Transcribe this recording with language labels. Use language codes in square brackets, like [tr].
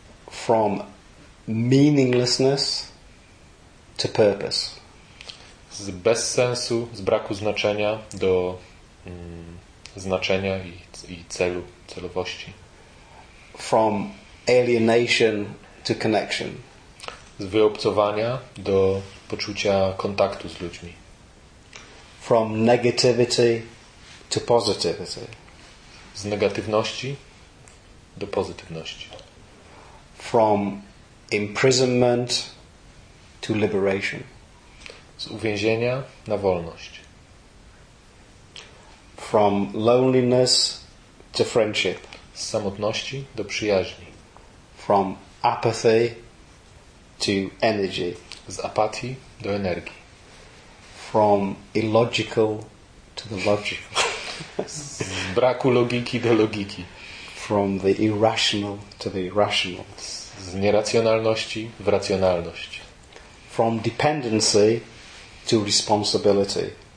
[en] From meaninglessness to purpose. [pl] Z bez sensu, z braku znaczenia do znaczenia i celu, celowości. [en] From alienation to connection. [pl] Z wyobcowania do poczucia kontaktu z ludźmi. [en] From negativity to positivity. [pl] Z negatywności do pozytywności. [en] From imprisonment to liberation. [pl] Z uwięzienia na wolność. [en] From loneliness to friendship. [pl] Z samotności do przyjaźni. [en] From apathy to energy. [pl] Z apatii do energii. [en] From illogical to the logical. [pl] Z braku logiki do logiki. [en] From the irrational to the rational. [pl] Z nieracjonalności w racjonalność. [en] From dependency to responsibility.